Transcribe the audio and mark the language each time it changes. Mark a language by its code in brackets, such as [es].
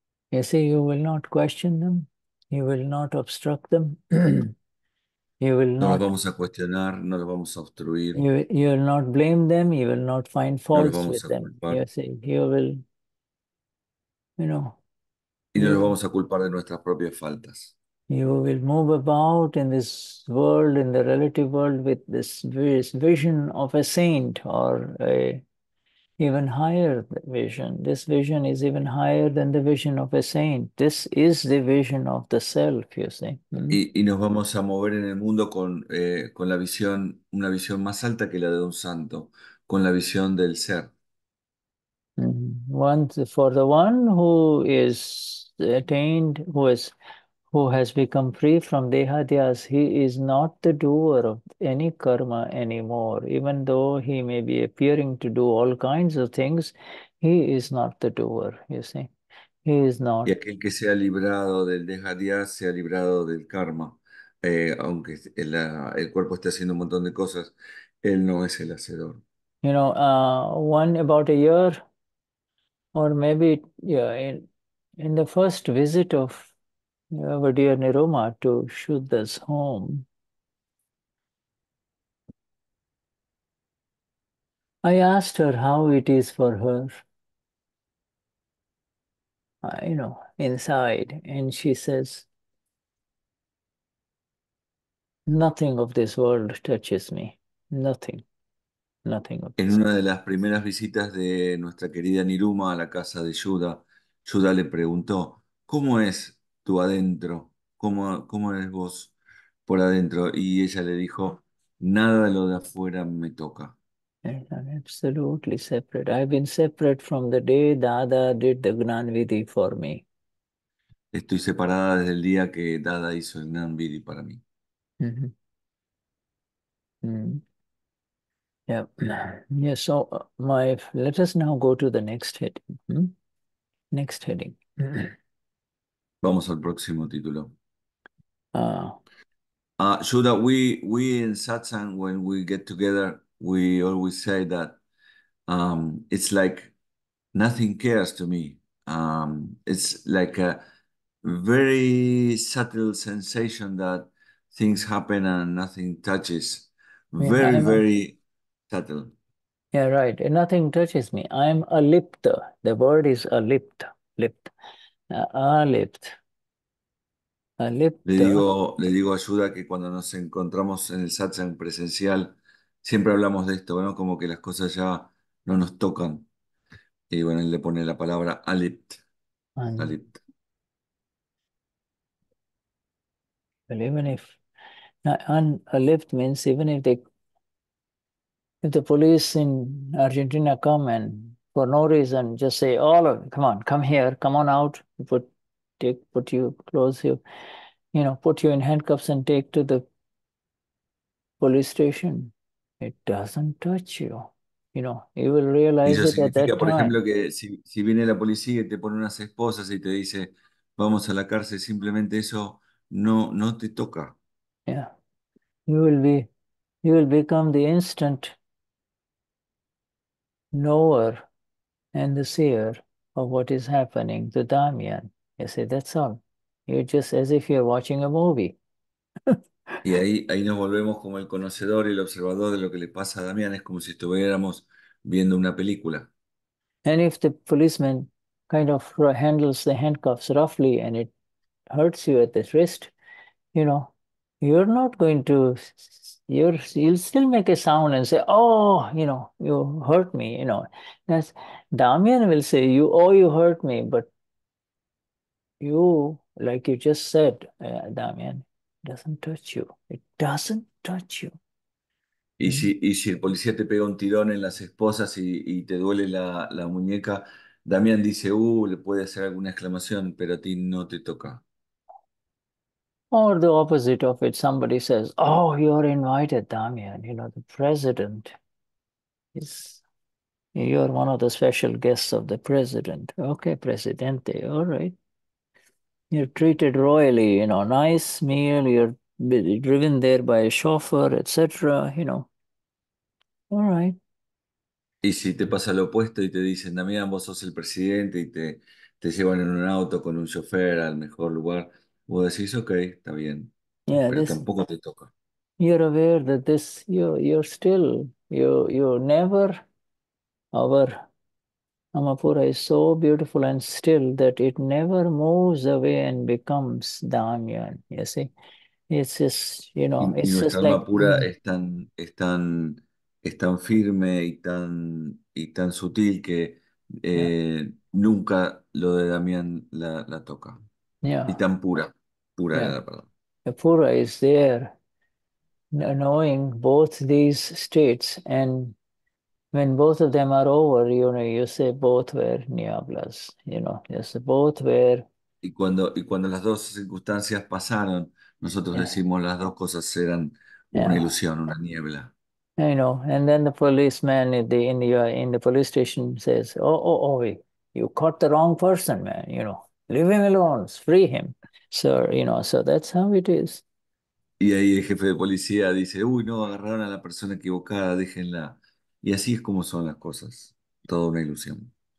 [en] You see, you will not question them. You will not obstruct them. You will no not. [es] No los vamos a cuestionar. No los vamos a obstruir. [en] You will not blame them. You will not find faults no with them. [es] Culpar. [en] You see, you will. You know. [es] Y no los vamos a culpar de nuestras propias faltas. [en] You will move about in this world, in the relative world, with this vision of a saint or a. Even higher vision. This vision is even higher than the vision of a saint. This is the vision of the self, you see. Mm-hmm. [es] Y nos vamos a mover en el mundo con la visión, una visión más alta que la de un santo, con la visión del ser. Mm-hmm. [en] One, for the one who is attained, who has become free from Dehadhyas, he is not the doer of any karma anymore. Even though he may be appearing to do all kinds of things, he is not the doer, you see. He is not. [es] Y aquel que se ha librado del Dehadhyas se ha librado del karma. Aunque el cuerpo esté haciendo un montón de cosas, él no es el hacedor. [en] You know, one about a year, or maybe yeah, in the first visit of our dear Niruma to Shuddha's home. I asked her how it is for her, you know, inside, and she says, nothing of this world touches me, nothing, nothing of this en world. [es] Una de las primeras visitas de nuestra querida Niruma a la casa de Yuda, Yuda le preguntó, ¿cómo es tú adentro? ¿Cómo eres vos por adentro? Y ella le dijo, nada de lo de afuera me toca. [en] I'm absolutely separate. I've been separate from the day Dada did the Gnan Vidhi for me. [es] Estoy separada desde el día que Dada hizo el Gnan Vidhi para mí. [en] Yeah, so let us now go to the next heading. Next heading. [es] Vamos al próximo título. [en] Yuda, we in satsang, when we get together, we always say that it's like nothing cares to me. It's like a very subtle sensation that things happen and nothing touches. Very, very subtle. Yeah, right. Nothing touches me. I'm alipta. The word is alipta. Lipta. Alipta. Alipta. [es] Le digo ayuda que cuando nos encontramos en el satsang presencial siempre hablamos de esto, ¿no? Como que las cosas ya no nos tocan. Y bueno, él le pone la palabra alipt. Alipt. [en] Well, even if alipt means even if the police in Argentina come and for no reason just say, all of come on, come here, come on out, put you, close you. You know, put you in handcuffs and take to the police station. It doesn't touch you. You know, you will realize it at that time. [es] Por ejemplo, que si viene la policía y te pone unas esposas y te dice, vamos a la cárcel, simplemente eso no te toca. [en] Yeah. You will become the instant knower and the seer of what is happening to Damian. You say, that's all. You're just as if you're watching a movie. [es] Y ahí nos volvemos como el conocedor y el observador de lo que le pasa a Damián. Es como si estuviéramos viendo una película. [en] And if the policeman kind of handles the handcuffs roughly and it hurts you at the wrist, you know, you're not going to you'll still make a sound and say, "Oh, you hurt me." That's Damien will say, "You, oh, you hurt me," but you, like you just said, Damien, doesn't touch you. It doesn't touch you. [es] Y si el policía te pega un tirón en las esposas y te duele la muñeca, Damián dice, le puede hacer alguna exclamación, pero a ti no te toca. [en] Or the opposite of it, somebody says, "Oh, you're invited, Damien. The president is, you're one of the special guests of the president." Okay, Presidente, all right. You're treated royally, nice meal, you're driven there by a chauffeur, etc. All right. [es] Y si te pasa lo opuesto y te dicen, Damián, vos sos el presidente y te llevan en un auto con un chofer al mejor lugar, vos decís, ok, está bien, [en] Yeah, [es] pero [en] this, [es] tampoco te toca. [en] you're aware that this, you're still, you never, our Amapura is so beautiful and still that it never moves away and becomes Damian, you see. [es] Y [en] It's [es] nuestra [en] just [es] alma [en] like, [es] pura es tan firme y tan sutil que nunca lo de Damián la toca. Y tan pura, pura era la palabra. [en] Pura is there, knowing both these states, and when both of them are over, you say both were niablas, yes, both were. [es] Y cuando las dos circunstancias pasaron, nosotros decimos las dos cosas eran una ilusión, una niebla. [en] I know. And then the policeman in the police station says, "Oh, you caught the wrong person, man. Leave him alone, free him." Sir, so that's how it is. [es] Y ahí el jefe de policía dice, no, agarraron a la persona equivocada, déjenla. Y así es como son las cosas, toda una ilusión.